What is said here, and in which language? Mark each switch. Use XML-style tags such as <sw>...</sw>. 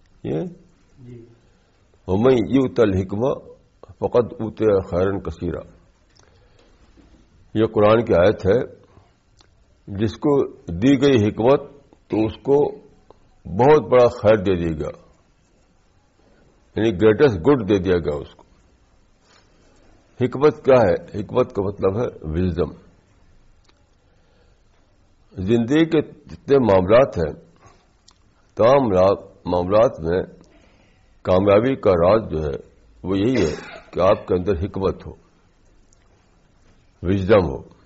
<ar>یہ من یوت الحکمہ فقد اوتی خیر کثیر،</ar> <ur>یہ قرآن کی آیت ہے. جس کو دی گئی حکمت تو اس کو بہت بڑا خیر دے دیا گیا، یعنی گریٹسٹ گڈ دے دیا گیا اس کو. حکمت کیا ہے؟ حکمت کا مطلب ہے وزڈم. زندگی کے جتنے معاملات ہیں تمام معاملات میں کامیابی کا راز جو ہے وہ یہی ہے کہ آپ کے اندر حکمت ہو، وزڈم ہو.</ur>